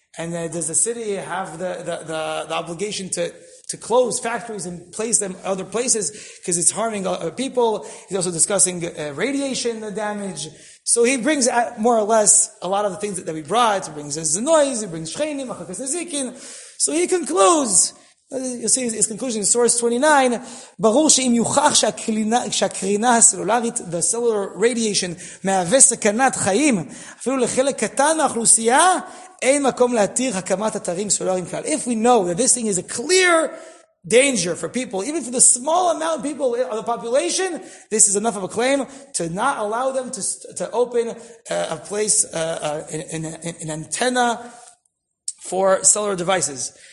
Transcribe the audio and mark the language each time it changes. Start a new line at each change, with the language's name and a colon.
English: And does the city have the obligation to close factories and place them other places because it's harming other people? He's also discussing radiation damage. So he brings more or less a lot of the things that we brought. He brings the noise, he brings shchenim, machakas nezikin. So he concludes, you see his conclusion in source 29,
Hebrew: ברור שאם יוכח שהקרינה הסלולרית,
English: the cellular radiation,
Hebrew: מהווה סכנת חיים, אפילו לחלק קטן מהאוכלוסייה, אין מקום להתיר הקמת אתרים סלולריים כלל.
English: If we know that this thing is a clear danger for people, even for the small amount of people of the population, this is enough of a claim to not allow them to open a place, an antenna, for cellular devices.